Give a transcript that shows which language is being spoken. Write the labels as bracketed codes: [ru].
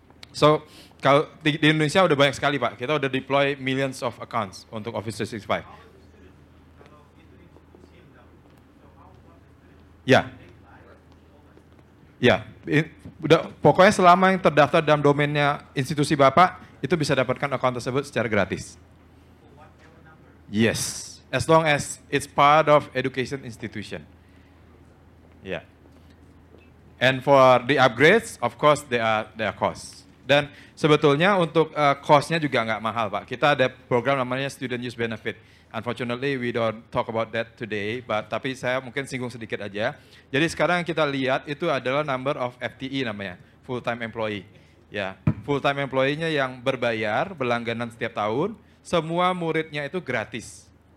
[id] So, kalau di Indonesia udah banyak sekali, Pak. Kita udah deploy [en] millions of accounts [id] untuk Office 365. Ya. Ya, pokoknya selama yang terdaftar dalam domainnya institusi Bapak, itu bisa dapatkan account tersebut secara gratis. [en] Yes, as long as it's part of education institution. Ya. Yeah. And for the upgrades, of course there are costs. [id] Dan sebetulnya untuk cost-nya juga nggak mahal, Pak. Kita ada program namanya Student Use Benefit. [en] Unfortunately, we don't talk about that today, but [id] tapi saya mungkin singgung sedikit aja. Jadi sekarang kita lihat itu adalah number of FTE namanya, full-time employee. Ya, full-time employee-nya yang berbayar, berlangganan setiap tahun, semua muridnya itu gratis.